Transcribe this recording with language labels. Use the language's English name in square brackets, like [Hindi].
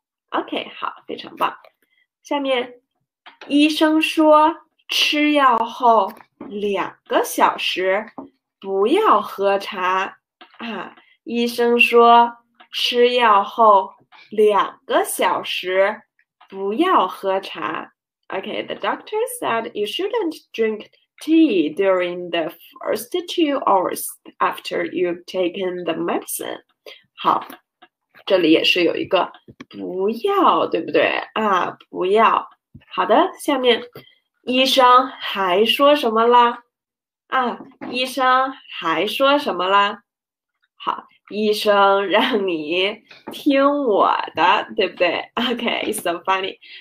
[Chinese] OK，好，非常棒。下面。医生说，吃药后2个小时不要喝茶啊。医生说，吃药后2个小时不要喝茶。 [English] Okay, the doctor said you shouldn't drink tea during the first 2 hours after you've taken the medicine. [Chinese] 好，这里也是有一个不要，对不对啊？不要。好的，下面医生还说什么啦？啊，医生还说什么啦？好，医生让你听我的，对不对？ [English] OK, it's so funny。